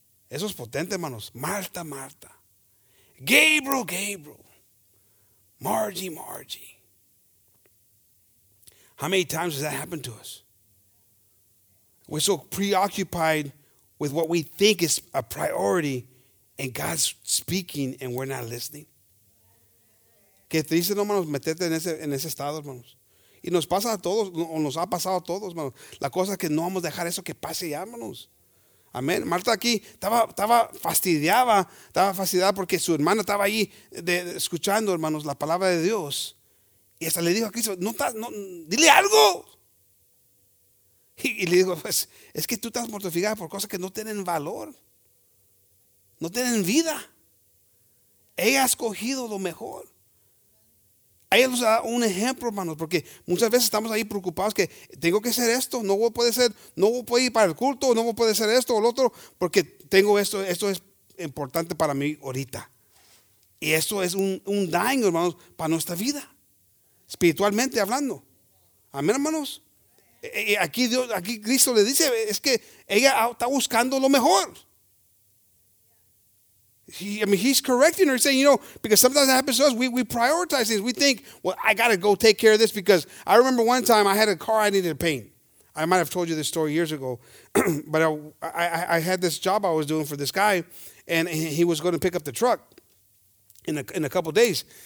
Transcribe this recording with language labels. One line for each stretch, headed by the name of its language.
Spanish: Eso es potente, hermanos. Marta, Marta. Gabriel, Gabriel. Margie, Margie.
English: How many times has that happened to us? We're so preoccupied with what we think is a priority, and God's speaking, and we're not listening.
Spanish: Qué triste, hermanos, meterte en ese estado, hermanos. Y nos pasa a todos, o nos ha pasado a todos, hermanos. La cosa es que no vamos a dejar eso que pase ya, hermanos. Amén. Marta aquí estaba fastidiada porque su hermana estaba ahí escuchando, hermanos, la palabra de Dios. Y hasta le dijo a Cristo, dile algo. Y le digo, pues, es que tú estás mortificada por cosas que no tienen valor. No tienen vida. Ella ha escogido lo mejor. Ella nos da un ejemplo, hermanos, porque muchas veces estamos ahí preocupados que tengo que hacer esto, no puedo ir para el culto, no puedo hacer esto o lo otro, porque tengo esto, esto es importante para mí ahorita. Y esto es un daño, hermanos, para nuestra vida, espiritualmente hablando. Amén, hermanos. Aquí Dios, aquí Cristo le dice, es que ella está buscando lo mejor.
English: He's correcting her, saying, you know, because sometimes it happens to us, we prioritize things. We think, well, I got to go take care of this because I remember one time I had a car I needed to paint. I might have told you this story years ago, but I had this job I was doing for this guy, and he was going to pick up the truck in a couple of days.